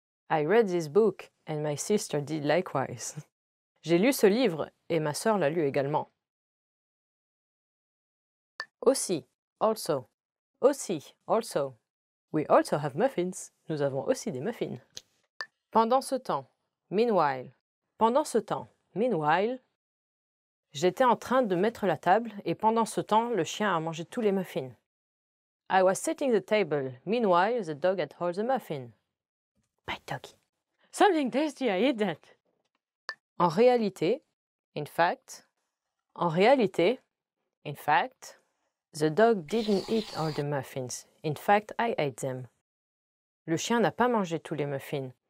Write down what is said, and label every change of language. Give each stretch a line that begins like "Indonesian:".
English: I read this book and my sister did likewise.
French: J'ai lu ce livre et ma sœur l'a lu également.
English: Aussi. Also. Aussi. Also. We also have muffins.
French: Nous avons aussi des muffins.
English: Pendant ce temps. Meanwhile. Pendant ce temps. Meanwhile.
French: J'étais en train de mettre la table et pendant ce temps, le chien a mangé tous les muffins.
English: I was setting the table. Meanwhile, the dog had all the muffins. Bye, doggy. Something tasty, I eat that.
French: En réalité,
English: in fact,
French: en réalité,
English: in fact, the dog didn't eat all the muffins. In fact, I ate them.
French: Le chien n'a pas mangé tous les muffins.